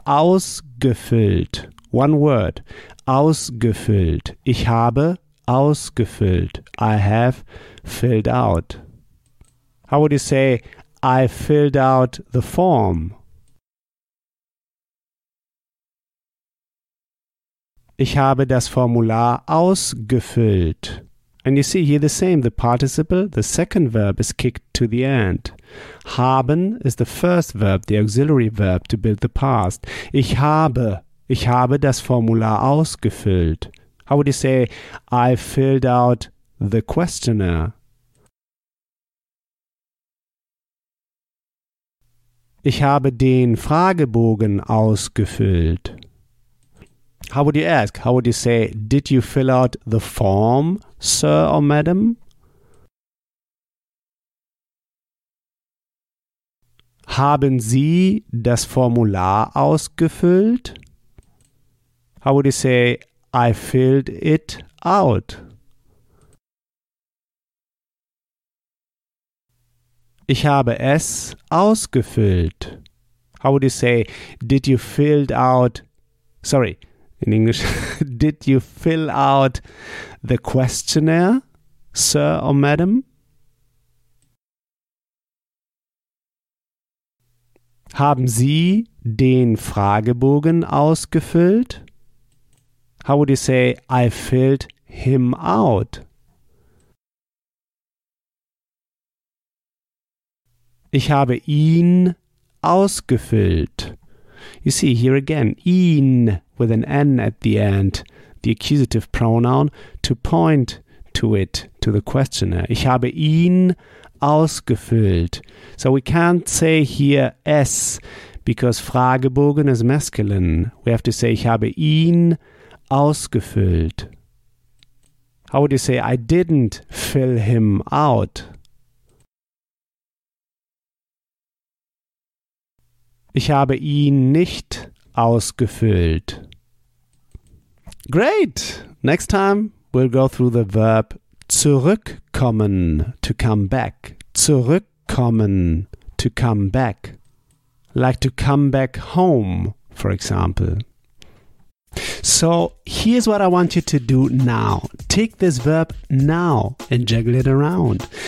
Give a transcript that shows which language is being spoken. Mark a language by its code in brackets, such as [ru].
[de] Ausgefüllt. [en] One word. [de] Ausgefüllt. Ich habe ausgefüllt. [en] I have filled out. How would you say, I filled out the form? [de] Ich habe das Formular ausgefüllt. [en] And you see here the same, the participle, the second verb is kicked to the end. Haben is the first verb, the auxiliary verb to build the past. [de] Ich habe das Formular ausgefüllt. [en] How would you say, I filled out the questionnaire? [de] Ich habe den Fragebogen ausgefüllt. [en] How would you ask? How would you say, did you fill out the form, sir or madam? [de] Haben Sie das Formular ausgefüllt? [en] How would you say, I filled it out? [de] Ich habe es ausgefüllt. [en] How would you say, did you fill out, sorry, in English, did you fill out the questionnaire, sir or madam? [de] Haben Sie den Fragebogen ausgefüllt? [en] How would you say, I filled him out? [de] Ich habe ihn ausgefüllt. [en] You see, here again, ihn with an N at the end, the accusative pronoun, to point to it, to the questioner. [de] Ich habe ihn ausgefüllt. [en] So we can't say here es, because Fragebogen is masculine. We have to say, [de] ich habe ihn ausgefüllt. [en] How would you say, I didn't fill him out? [de] Ich habe ihn nicht ausgefüllt. [en] Great! Next time we'll go through the verb zurückkommen, to come back. Zurückkommen, to come back. Like to come back home, for example. So here's what I want you to do now. Take this verb now and juggle it around.